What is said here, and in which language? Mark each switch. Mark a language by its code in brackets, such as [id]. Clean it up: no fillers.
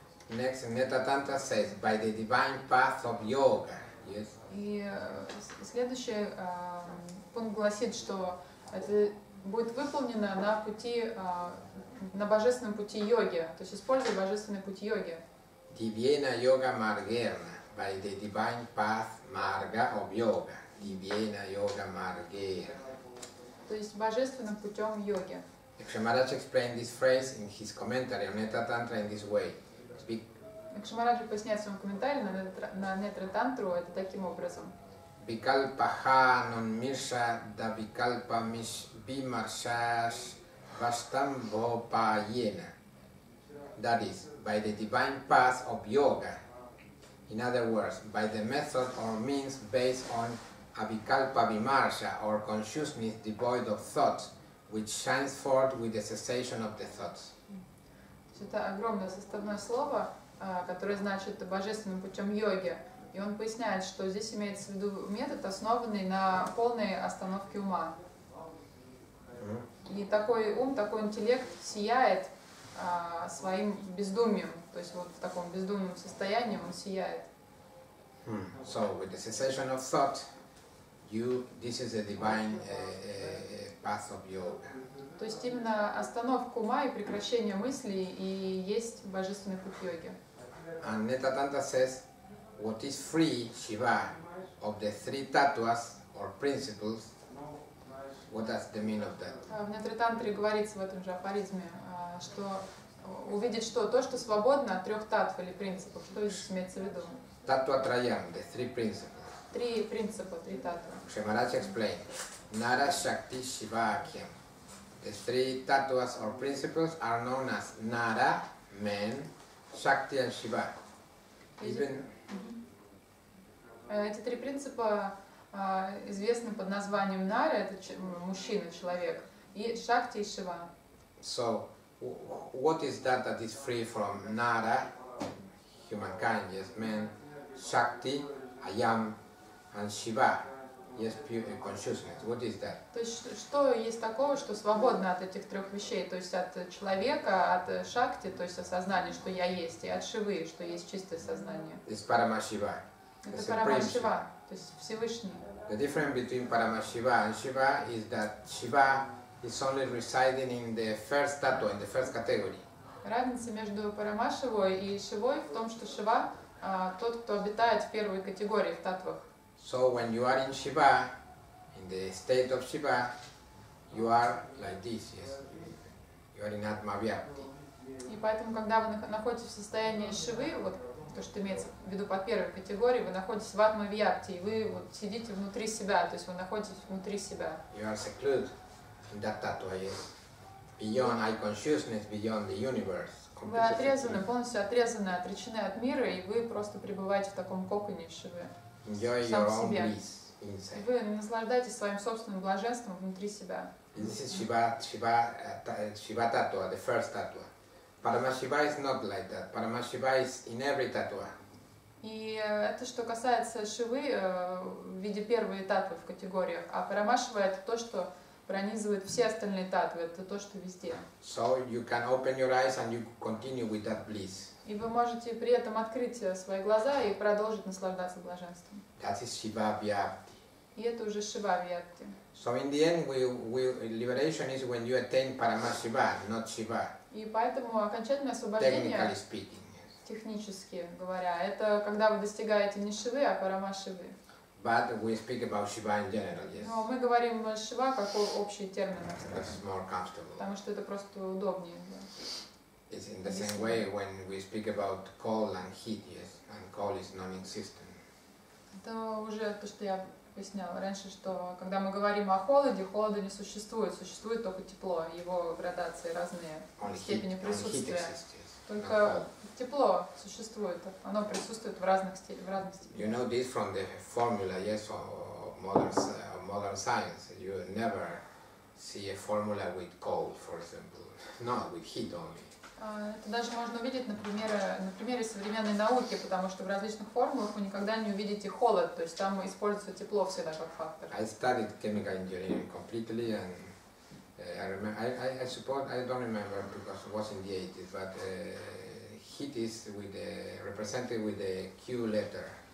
[en] Next, Netra Tantra says, by the divine path of yoga, yes. [ru] И следующий пункт гласит, что это будет выполнено на пути, на божественном пути йоги, то есть используя божественный путь йоги. [sa] Divyena yoga margerna, [en] by the divine path marga of yoga. [sa] Divyena yoga margerna. [ru] То есть божественным путем йоги. [en] Кшемараджа explained this phrase in his commentary on Netra Tantra in this way. [ru] Кшемараджа поясняет в своем комментарии на Netra Tantra это таким образом. Викальпаха нон мирша да викальпа миш бимаршаш баштам вопаена. [en] That is, by the divine path of yoga. In other words, by the method or means based on avikalpa vimarsha or consciousness devoid of thoughts, which shines forth with the cessation of the thoughts. [ru] Это огромное составное слово, которое значит божественным путем йоги. И он поясняет, что здесь имеется в виду метод, основанный на полной остановке ума. И такой ум, такой интеллект сияет своим бездумием, то есть вот в таком бездумном состоянии он сияет. [en] So with the cessation of thought, this is a divine path of yoga. [ru] То есть именно остановка ума и прекращение мыслей и есть божественный путь йоги. [en] And Netra Tantra says, what is free, Shiva, of the three tattvas or principles, what does the mean of that? [ru] В Netra Tantra говорится в этом же афоризме, что увидеть что? То, что свободно от трех таттв или принципов. Что здесь имеется в виду? [sa] Таттва траям, [en] the three principles. [ru] Три принципа, три таттва. [sa] Кшемараджа [en] explained. [sa] Нара шакти шивакьям. [en] The three tattvas or principles are known as Nara, man, Shakti and Shiva. Even... [ru] Эти три принципа известны под названием Нара, это мужчина, человек, и Шакти и Шива. [en] So, what is that that is free from Nara, humankind, yes, man, Shakti, Ayam, and Shiva? Yes, pure consciousness. What is that? [ru] То есть что есть такого, что свободно от этих трех вещей, то есть от человека, от шакти, то есть осознания, что я есть, и от шивы, что есть чистое сознание. [en] It's Парамашива. [ru] Это Парамашива, то есть Всевышний. [en] The difference between Парамашива and Шива is that Шива is only residing in the first tattva, in the first category. [ru] Разница между Парамашивой и Шивой в том, что Шива тот, кто обитает в первой категории в таттвах. [en] So when you are in Shiva, in the state of Shiva, you are like this, yes. You are in Atma Vyapti. [ru] И поэтому, когда вы находитесь в состоянии Шивы, вот то, что имеется в виду под первой категорией, вы находитесь в Атма Вьяпти, и вы вот сидите внутри себя, то есть вы находитесь внутри себя. [en] You are secluded in that tattva, yes. Beyond eye consciousness, beyond the universe. [ru] Вы отрезаны, полностью отрезаны, отречены от мира, и вы просто пребываете в таком коконе Шивы. [en] Enjoy your own bliss inside. [ru] Вы наслаждаетесь своим собственным блаженством внутри себя. [en] This is Shiva, Shiva tattva, the first tattva. Paramashiva is not like that. Paramashiva is in every tattva. [ru] И это что касается Шивы в виде первой татвы в категориях, а Парамашива это то, что пронизывает все остальные татвы, это то, что везде. [en] So you can open your eyes and you continue with that bliss. [ru] И вы можете при этом открыть свои глаза и продолжить наслаждаться блаженством. [en] That is Shiva Vyapti. [ru] И это уже Шива Вьяпти. [en] So in the end we liberation is when you attain Paramashiva, not Shiva. [ru] И поэтому окончательное освобождение. [en] Technically speaking. [ru] Технически говоря, это когда вы достигаете не Шивы, а Парамашивы. [en] But we speak about Shiva in general, yes. [ru] Но мы говорим Шива как общий термин. [en] That's more comfortable. [ru] Потому что это просто удобнее. Да. [en] It's in the same way when we speak about cold and heat, yes, and cold is non-existent. [ru] Это уже то, что я объясняла раньше, что когда мы говорим о холоде, холода не существует, существует только тепло, его градации разные, [en] only [ru] степени [en] heat, [ru] присутствия. Только uh-huh. тепло существует, оно присутствует в разных степенях. [en] You know this from the formula, yes, of modern science. You never see a formula with cold, for example. No, with heat only. [ru] Это даже можно увидеть на примере современной науки, потому что в различных формулах вы никогда не увидите холод, то есть там используется тепло всегда как фактор. [en] I studied chemical engineering completely and I don't remember because it was in the 80s, but heat is represented with a Q letter.